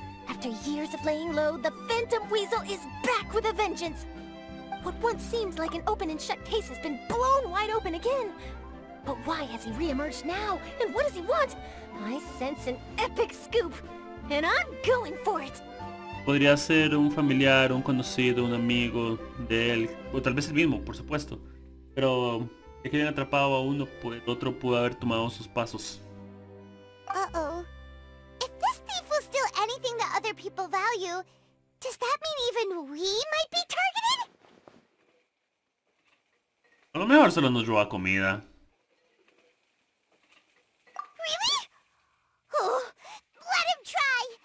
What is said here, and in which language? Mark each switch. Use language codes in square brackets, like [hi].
[en] After years of laying low, the Phantom Weasel is back with a vengeance. What once seemed like an open and shut case has been blown wide open again. But why has he re-emerged now? And what does he want? I sense an epic scoop, and I'm going for it. [es] Podría ser un familiar, un conocido, un amigo de él, o tal vez el mismo, por supuesto. Pero ya que hayan atrapado a uno, pues otro pudo haber tomado sus pasos. [en] If this thief will steal anything that other people value, does that mean even we might be targeted? [es] A lo mejor solo nos roba comida. [en] Really? Oh, let him try.